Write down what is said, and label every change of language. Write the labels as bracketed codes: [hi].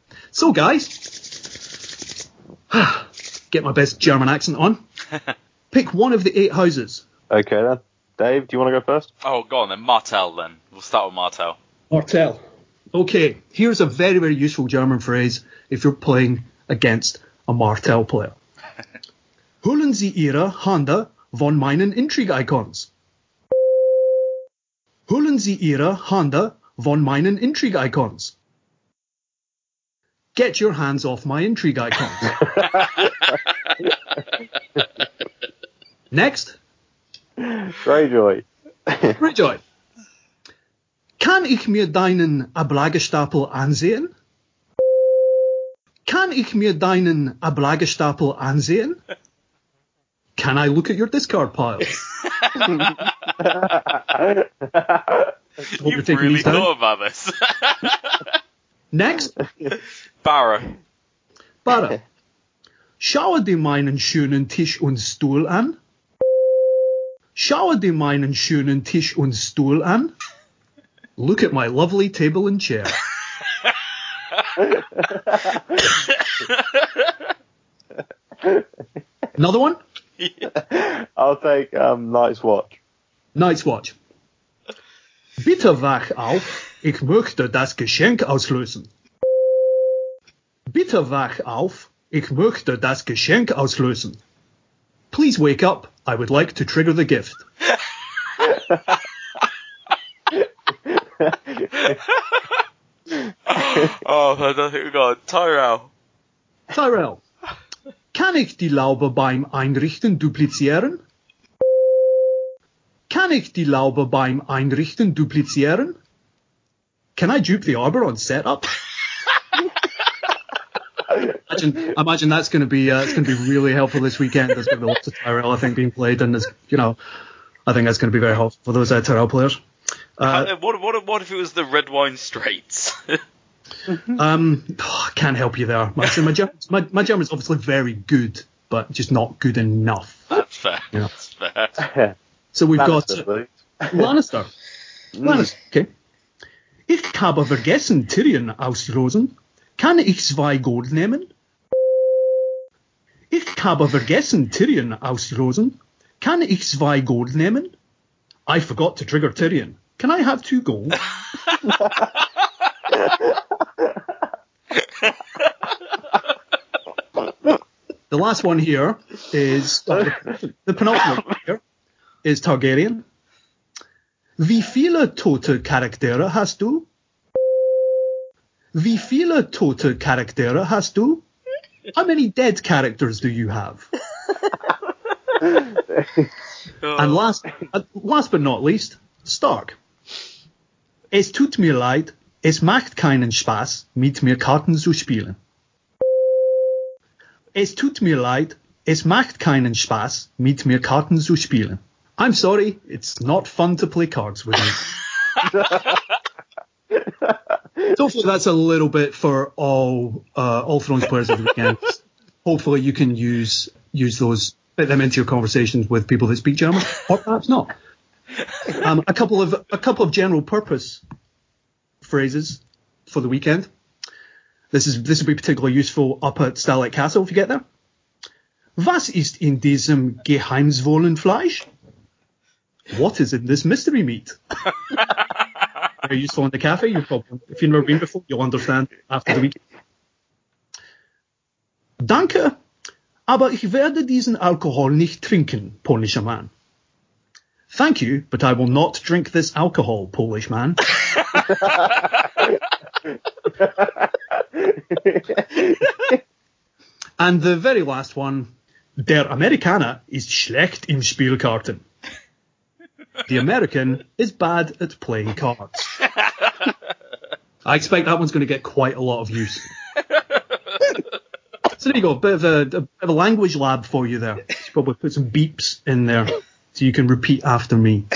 [en] So, guys, get my best German accent on. Pick one of the 8 houses. Okay, then. Dave, do you want to go first? Oh, go on then. Martell, then. We'll start with Martell. Martell. Okay, here's a very, very useful German phrase if you're playing against a Martell player. [de] Holen Sie Ihre Hände von meinen Intrigue-Icons. Holen Sie Ihre Hände von meinen Intrigue-Icons. [en] Get your hands off my intrigue icon. Next. Greyjoy. Greyjoy. [de] Kann ich mir deinen Ablagestapel ansehen? Kann ich mir deinen Ablagestapel ansehen? [en] Can I look at your discard pile? You've really thought about this. Next. Barra. [de] Schaue dir meinen schönen Tisch und Stuhl an. Schaue dir meinen schönen Tisch und Stuhl an. [en] Look at my lovely table and chair. Another one? I'll take Night's Watch. Night's Watch. [de] Bitte wach auf, ich möchte das Geschenk auslösen. Bitte wach auf, ich möchte das Geschenk auslösen. [en] Please wake up, I would like to trigger the gift. Oh, I don't think we got Tyrell. [de] Kann ich die Laube beim Einrichten duplizieren? Kann ich die Laube beim Einrichten duplizieren? [en] Can I dupe the arbor on setup? Imagine that's going to be really helpful this weekend. There's going to be lots of Tyrell, I think, being played, and there's, you know, I think that's going to be very helpful for those Tyrell players. What if it was the Red Wine Straits? Can't help you there. My German is obviously very good, but just not good enough. That's fair. You know? That's fair. So we've got Lannister. Lannister. Okay. [de] Ich habe vergessen Tyrion auszulosen. Kann ich zwei Gold nehmen? Ich habe vergessen Tyrion auszulosen. Kann ich zwei Gold nehmen? [en] I forgot to trigger Tyrion. Can I have two gold? The last one here is the penultimate here is Targaryen. [de] Wie viele tote Charaktere hast du? Wie viele tote Charaktere hast du? [en] How many dead characters do you have? And last but not least, Stark. [de] Es tut mir leid, es macht keinen Spaß, mit mir Karten zu spielen. Es tut mir leid, es macht keinen Spaß, mit mir Karten zu spielen. [en] I'm sorry, it's not fun to play cards with you. Hopefully that's a little bit for all Thrones players of the weekend. Hopefully you can use those, fit them into your conversations with people that speak German, or perhaps not. A couple of general purpose phrases for the weekend. This will be particularly useful up at Starlight Castle if you get there. [de] Was ist in diesem geheimnisvollen Fleisch? [en] What is in this mystery meat? Very useful in the cafe. You've probably, if you've never been before, you'll understand after the week. [de] Danke, aber ich werde diesen Alkohol nicht trinken, polnischer Mann. [en] Thank you, but I will not drink this alcohol, Polish man. And the very last one, [de] der Amerikaner ist schlecht im Spielkarten. [en] The American is bad at playing cards. I expect that one's going to get quite a lot of use. So there you go, a bit of a language lab for you there. You should probably put some beeps in there so you can repeat after me.